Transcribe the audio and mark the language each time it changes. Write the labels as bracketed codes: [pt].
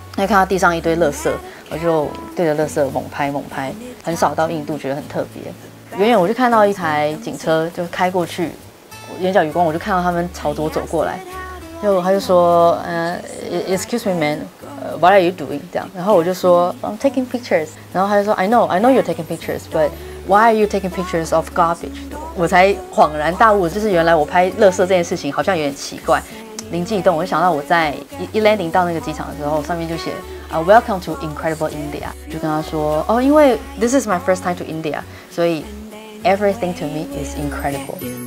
[zh] 那看到地上一堆垃圾，我就对着垃圾猛拍，很少到印度，觉得很特别。远远我就看到一台警车就开过去。眼角余光，我就看到他们朝着我走过来，就他就说， [en] Excuse me, man, what are you doing? [zh] 这样，然后我就说 ， [en] I'm taking pictures. [zh] 然后他就说 [en] ，I know you're taking pictures, but why are you taking pictures of garbage? [zh] 我才恍然大悟，就是原来我拍垃圾这件事情好像有点奇怪。灵机一动，我就想到我在一 landing 到那个机场的时候，上面就写 ， [en] Welcome to Incredible India. [zh] 就跟他说，因为 [en] This is my first time to India, [zh] 所以 [en] everything to me is incredible.